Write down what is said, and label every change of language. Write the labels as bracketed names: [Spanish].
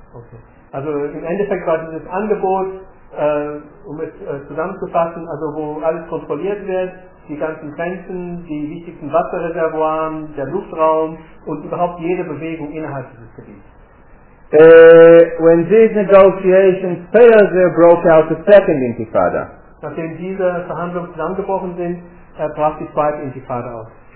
[German] Okay. Also im Endeffekt war dieses Angebot, um es zusammenzufassen, also wo alles kontrolliert wird, die ganzen Grenzen, die wichtigsten Wasserreservoiren, der Luftraum und überhaupt jede Bewegung innerhalb dieses Gebiets. [English] When these negotiations failed, there broke out the second intifada. [German] Nachdem diese Verhandlungen zusammengebrochen sind, brach die zweite Intifada aus.